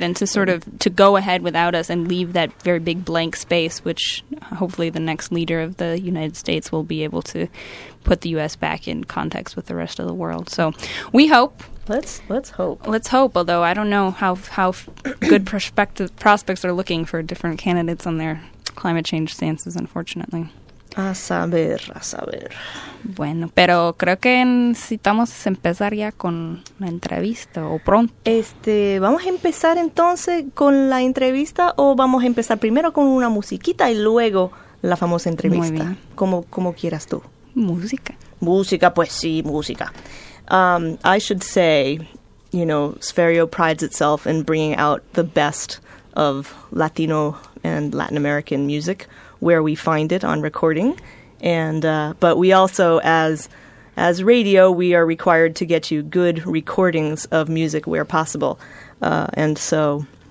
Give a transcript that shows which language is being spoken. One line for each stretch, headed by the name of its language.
English: And to sort of to go ahead without us and leave that very big blank space, which hopefully the next leader of the United States will be able to put the U.S. back in context with the rest of the world. So we hope. Let's hope, although I don't know how good prospects are looking for different candidates on their climate change stances, unfortunately.
Spanish: A saber. Bueno, pero creo que necesitamos empezar ya con la entrevista, o pronto. ¿Vamos a empezar entonces con la entrevista, o vamos a empezar primero con una musiquita y luego la famosa entrevista? Muy bien. Como quieras tú. Música. Música, pues sí, música.
English: I should say, you know, Sferio prides itself in bringing out the best of Latino and Latin American music, where we find it on recording, and but we also, as radio, we are required to get you good recordings of music where possible, and so